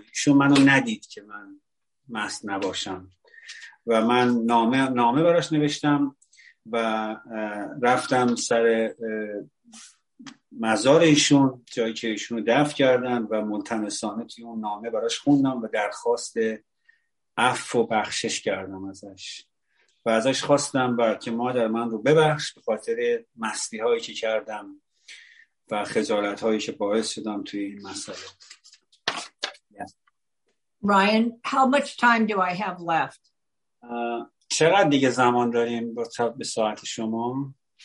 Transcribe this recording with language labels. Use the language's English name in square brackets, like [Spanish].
[Persian] ایشون منو ندید که من مست نباشم و من نامه براش نوشتم و رفتم سر مزار ایشون، جایی که ایشونو دفن کردن، و ملتمسانه توی اون نامه براش خوندم و درخواست عفو و بخشش کردم ازش. و ازش خواستم و که مادر من رو ببخش به خاطر مستی هایی که کردم و خجالت هایی که باعث شدم توی این مسئله. [English] Yeah. Ryan, how much time do I have left? [Persian] چقدر دیگه زمان داریم با به ساعت شما؟